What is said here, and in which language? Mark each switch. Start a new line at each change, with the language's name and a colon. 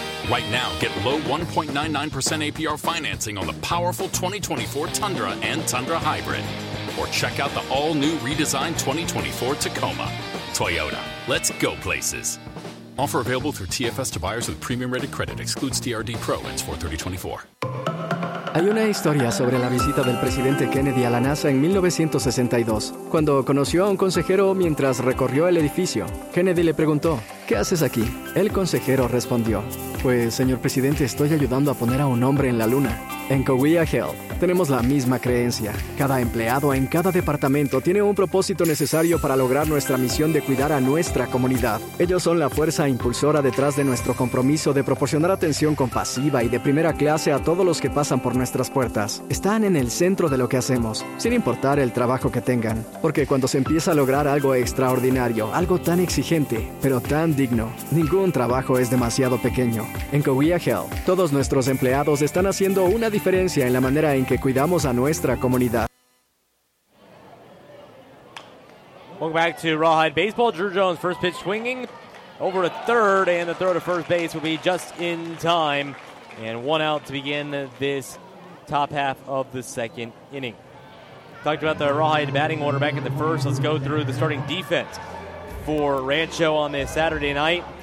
English: Right now, get low 1.99% APR financing on the powerful 2024 Tundra and Tundra Hybrid. Or check out the all-new redesigned 2024 Tacoma. Toyota, let's go places. Offer available through TFS to buyers with premium-rated credit. Excludes TRD Pro. Ends 4/30/24.
Spanish: Hay una historia sobre la visita del presidente Kennedy a la NASA en 1962, cuando conoció a un consejero mientras recorrió el edificio. Kennedy le preguntó, ¿qué haces aquí? El consejero respondió, pues, señor presidente, estoy ayudando a poner a un hombre en la luna. En Cahuilla Health tenemos la misma creencia. Cada empleado en cada departamento tiene un propósito necesario para lograr nuestra misión de cuidar a nuestra comunidad. Ellos son la fuerza impulsora detrás de nuestro compromiso de proporcionar atención compasiva y de primera clase a todos los que pasan por nuestras puertas. Están en el centro de lo que hacemos, sin importar el trabajo que tengan. Porque cuando se empieza a lograr algo extraordinario, algo tan exigente, pero tan digno, ningún trabajo es demasiado pequeño. En Cahuilla Health, todos nuestros empleados están haciendo una diferencia en la manera en que cuidamos a nuestra comunidad.
English: Welcome back to Rawhide Baseball. Drew Jones, first pitch swinging over to third, and the throw to first base will be just in time, and one out to begin this top half of the second inning. Talked about the Rawhide batting order back at the first. Let's go through the starting defense for Rancho on this Saturday night.